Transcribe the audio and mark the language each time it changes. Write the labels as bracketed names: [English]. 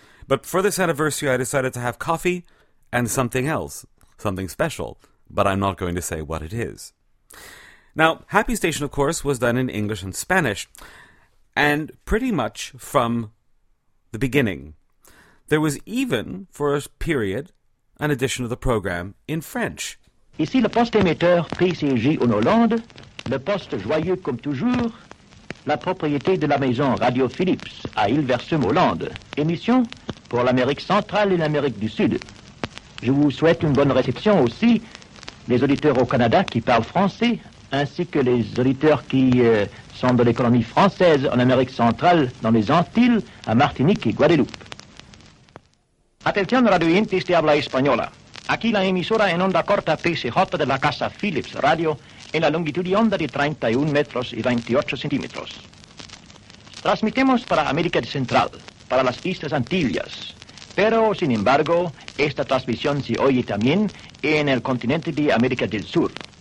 [English] But for this anniversary, I decided to have coffee and something else, something special, but I'm not going to say what it is. Now, Happy Station, of course, was done in English and Spanish, and pretty much from the beginning. There was even, for a period, an edition of the program in French. [French] Ici le poste émetteur PCJ en Hollande, le poste joyeux comme toujours, la propriété de la maison Radio Philips à Hilversum, Hollande. Émission pour l'Amérique centrale et l'Amérique du Sud. Je vous souhaite une bonne réception aussi, les auditeurs au Canada qui parlent français, ainsi que les auditeurs qui sont de l'économie française en Amérique centrale, dans les Antilles, à Martinique et Guadeloupe. [Spanish] Atención Radio Inti, este habla española. Aquí la emisora en onda corta PCJ de la Casa Philips Radio, en la longitud de onda de 31 metros y 28 centímetros. Transmitemos para América Central, para las Islas Antillas, pero, sin embargo, esta transmisión se oye también en el continente de América del Sur.